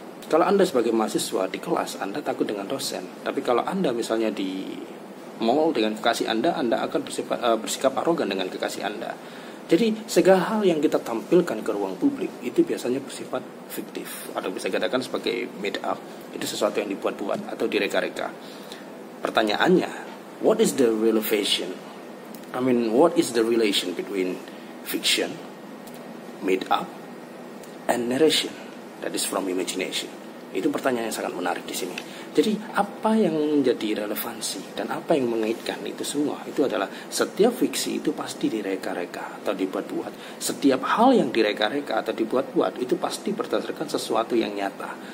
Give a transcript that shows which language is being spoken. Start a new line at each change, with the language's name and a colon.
Indonesian: Kalau Anda sebagai mahasiswa di kelas, Anda takut dengan dosen. Tapi kalau Anda misalnya di mall dengan kekasih Anda, Anda akan bersikap arogan dengan kekasih Anda. Jadi segala hal yang kita tampilkan ke ruang publik itu biasanya bersifat fiktif atau bisa dikatakan sebagai made up. Itu sesuatu yang dibuat-buat atau direka-reka.
English: Pertanyaannya, what is the relation? I mean, what is the relation between fiction, made up, and narration? That is from imagination.
Indonesian: Itu pertanyaan yang sangat menarik di sini. Jadi apa yang menjadi relevansi dan apa yang mengaitkan itu semua? Itu adalah setiap fiksi itu pasti direka-reka atau dibuat-buat. Setiap hal yang direka-reka atau dibuat-buat itu pasti berdasarkan sesuatu yang nyata.